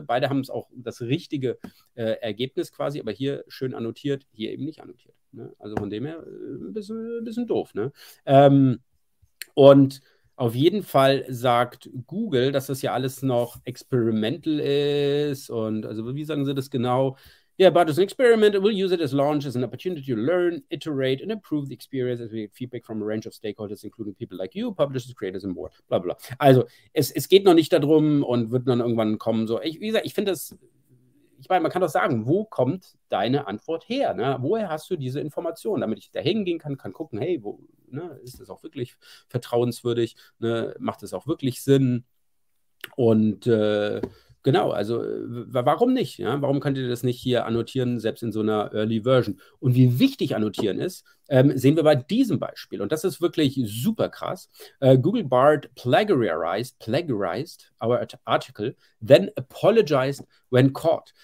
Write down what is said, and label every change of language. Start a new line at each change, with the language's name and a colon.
German: Beide haben es auch das richtige Ergebnis quasi, aber hier schön annotiert, hier eben nicht annotiert. Ne? Also von dem her ein bisschen doof. Ne? Und auf jeden Fall sagt Google, dass das ja alles noch experimental ist und also wie sagen sie das genau?
English: Yeah, but as an experiment, we'll use it as launch as an opportunity to learn, iterate, and improve the experience as we get feedback from a range of stakeholders, including people like you, publishers, creators and more.
German: Bla bla. Also, es geht noch nicht darum und wird dann irgendwann kommen. So, wie gesagt, ich finde das, ich meine, man kann doch sagen, wo kommt deine Antwort her? Ne? Woher hast du diese Information? Damit ich da hingehen kann, kann gucken, hey, wo, ne, ist das auch wirklich vertrauenswürdig? Ne? Macht das auch wirklich Sinn? Und genau, also warum nicht? Ja? Warum könnt ihr das nicht hier annotieren, selbst in so einer Early Version? Und wie wichtig annotieren ist, sehen wir bei diesem Beispiel. Und das ist wirklich super krass.
English: Google Bard plagiarized our article, then apologized when caught.